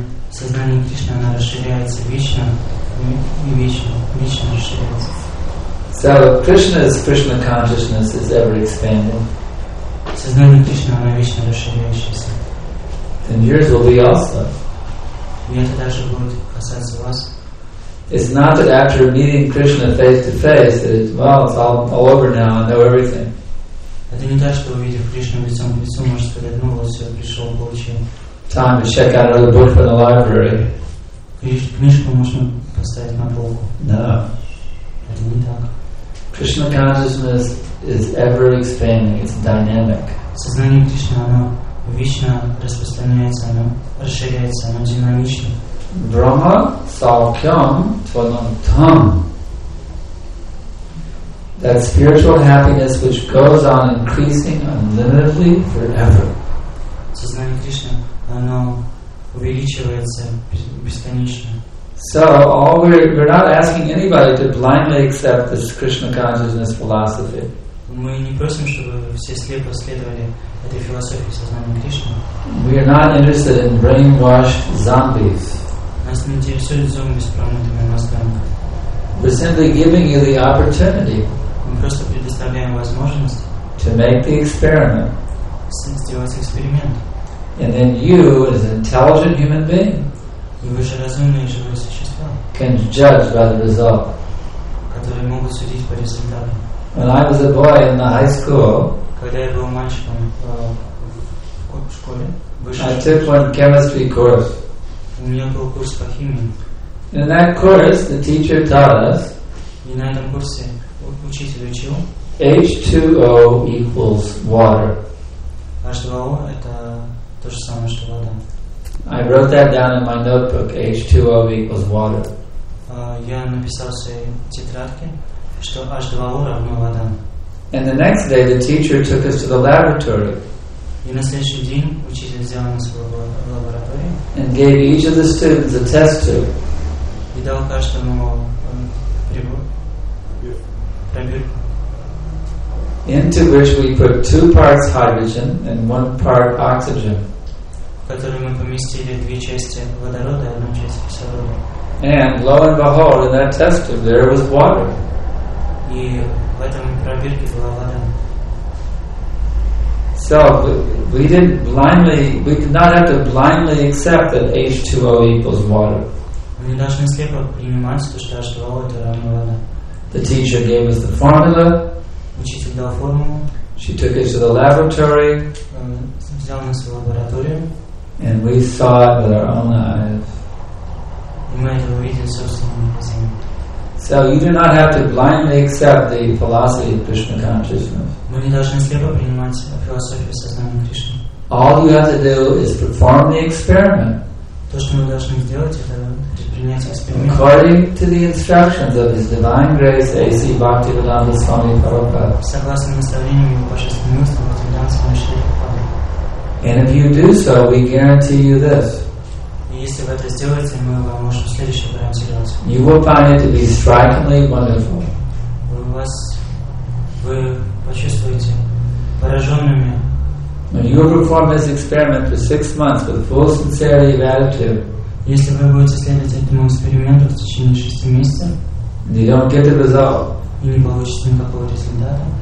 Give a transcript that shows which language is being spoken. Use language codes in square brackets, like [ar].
[ru] Сознание Кришны, оно расширяется вечно и вечно расширяется. [en] So Krishna's Krishna consciousness is ever expanding. [ru] Сознание Кришны, оно вечно расширяющееся. [en] And yours will be also. [ru] И это также будет касаться вас. [en] It's not that after meeting Krishna face to face that it's all over now, I know everything. [ru] Это не так, что увидев Кришну лицом к лицу, можно сказать, ну вот все, пришел, получил. [en] Time to check out another book from the library. [ru] Книжку можно поставить на полку. [en] No. [ru] Это не так. [en] Krishna consciousness is ever expanding. It's dynamic. [ru] Сознание Кришны, оно вечно распространяется, оно расширяется, оно динамично. [sa] Brahma Saukhyam Tvanam Tam. [en] that spiritual happiness which goes on increasing unlimitedly forever. [ru] Сознание Кришны, оно увеличивается бесконечно. [en] So all we're not asking anybody to blindly accept this Krishna consciousness philosophy. [ru] Мы не просим, чтобы все слепо следовали этой философии сознания Кришны. [en] We are not interested in brainwashed zombies. [ru] Нас не интересуют зомби с промытыми мозгами. [en] We're simply giving you the opportunity. [ru] Мы просто предоставляем возможность. [en] To make the experiment. [ru] Сделать эксперимент. [en] And then you, as an intelligent human being, [ru] вы же разумные живые существа, [en] can judge by the result. [ru] Которые могут судить по результатам. [en] When I was a boy in the high school, [ru] когда я был мальчиком в школе, [en] I took one chemistry course. [ru] У меня был курс по химии. [en] In that course, the teacher taught us, [ru] и на этом курсе учитель учил, [en] H2O equals water. [ru] H2O это то же самое, что вода. [en] I wrote that down in my notebook, H2O equals water. [ru] Я написал в своей тетрадке, что H2O равно вода. [en] And the next day, the teacher took us to the laboratory. [ru] И на следующий день учитель взял нас в лабораторию. [en] And gave each of the students a test tube. [ru] И дал каждому прибор. Пробирку. [en] Into which we put two parts hydrogen and one part oxygen. [ru] В которую мы поместили две части водорода и одну часть кислорода. [en] And lo and behold, in that test tube there was water. [ru] И в этом пробирке была вода. [en] So we didn't blindly, we did not have to blindly accept that H2O equals water. [ru] Мы не должны слепо принимать, потому что H2O это равно вода. [en] The teacher gave us the formula. [ru] Учитель дал формулу. [en] She took us to the laboratory. [ru] Взял нас в лабораторию. [en] And we saw it with our own eyes. [ru] И мы это увидели собственными глазами. [en] So you do not have to blindly accept the philosophy of Krishna consciousness. [ru] Мы не должны слепо принимать философию сознания Кришны. [en] All you have to do is perform the experiment. [ru] То, что мы должны сделать, это принять эксперимент. [en] According to the instructions of His Divine Grace A.C. Bhaktivedanta Swami Prabhupada. [ru] Согласно наставлениям Его Божественного Милостивого Бхактивиданта Свами Прабхупады. [en] And if you do so, we guarantee you this. [ru] Если вы это сделаете, мы вам можем следующее гарантировать. [en] You will find it to be strikingly wonderful. [ru] Вы почувствуете пораженными. [en] When you perform this experiment for 6 months with full sincerity of attitude, [ru] если вы будете следовать этому эксперименту в течение 6 месяцев, [en] you don't get the result, [ru] и не получите никакого результата,